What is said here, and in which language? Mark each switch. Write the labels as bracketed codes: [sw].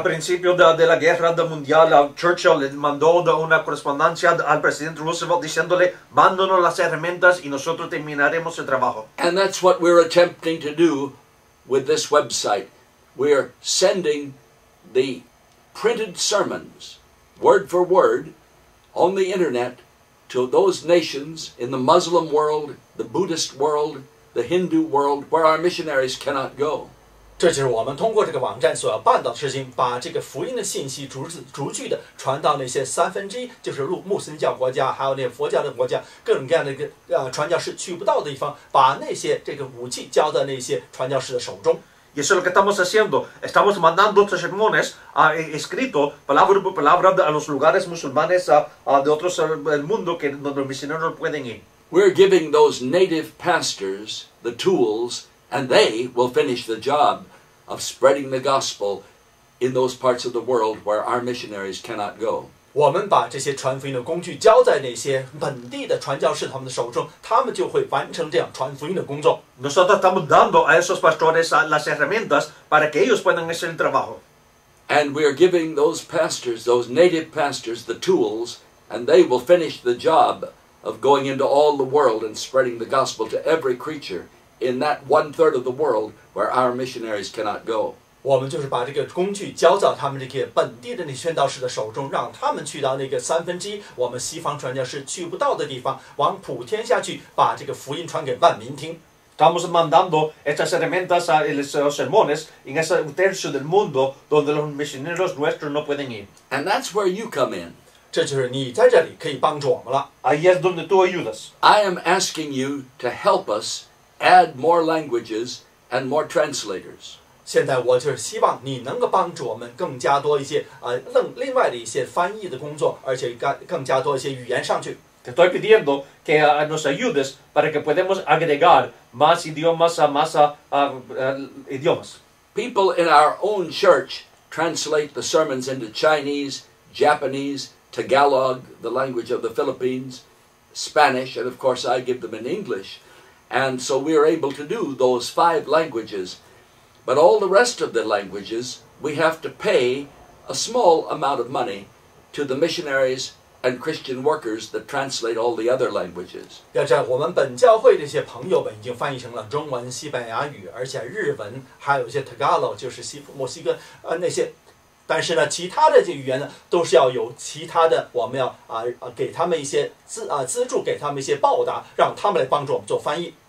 [es] principio de la guerra mundial, Churchill le mandó una correspondencia al presidente Roosevelt diciéndole: "Mándanos las herramientas y nosotros terminaremos el trabajo." [en] And that's what we're attempting to do with this website. We're sending the printed sermons, word for word, on the internet to to those nations in the Muslim world, the Buddhist world, the Hindu world, where our missionaries cannot go. [zh] 这就是我们通过这个网站所要办到的事情，把这个福音的信息逐句的传到那些三分之一，就是穆斯林教国家，还有那些佛教的国家，各种各样的一个传教士去不到的地方，把那些这个武器交到那些传教士的手中。 [es] Y eso es lo que estamos haciendo. Estamos mandando estos sermones escritos palabra por palabra a los lugares musulmanes de otros del mundo que donde los misioneros no pueden ir. [en] We're giving those native pastors the tools, and they will finish the job of spreading the gospel in those parts of the world where our missionaries cannot go. [zh] 我们把这些传福音的工具交在那些本地的传教士他们的手中，他们就会完成这样传福音的工作。 [es] Nosotros estamos dando a esos pastores las herramientas para que ellos puedan hacer el trabajo. [en] And we are giving those pastors, those native pastors, the tools, and they will finish the job of going into all the world and spreading the gospel to every creature in that one third of the world where our missionaries cannot go. [zh] 我们就是把这个工具交到他们这些本地的那宣道士的手中，让他们去到那个三分之一我们西方传教士去不到的地方，往普天下去把这个福音传给万民听。 [es] Estamos mandando estas herramientas a los sermones en ese tercio del mundo donde los misioneros nuestros no pueden ir. [en] And that's where you come in. [zh] 这就是你在这里可以帮助我们了。 [es] Ahí es donde tú ayudas. [en] I am asking you to help us add more languages and more translators. [zh] 现在我就是希望你能够帮助我们更加多一些另外的一些翻译的工作，而且更加多一些语言上去。 [es] Te estoy pidiendo que nos ayudes para que podamos agregar más idiomas a más idiomas. [en] People in our own church translate the sermons into Chinese, Japanese, Tagalog, the language of the Philippines, Spanish, and of course I give them in English. And so we are able to do those five languages. But all the rest of the languages, we have to pay a small amount of money to the missionaries and Christian workers that translate all the other languages. [zh] 要知道，我们本教会这些朋友们已经翻译成了中文、西班牙语，而且日文，还有一些 Tagalog， 就是墨西哥那些。但是呢，其他的这语言呢，都是要有其他的，我们要给他们一些资助，给他们一些报答，让他们来帮助我们做翻译。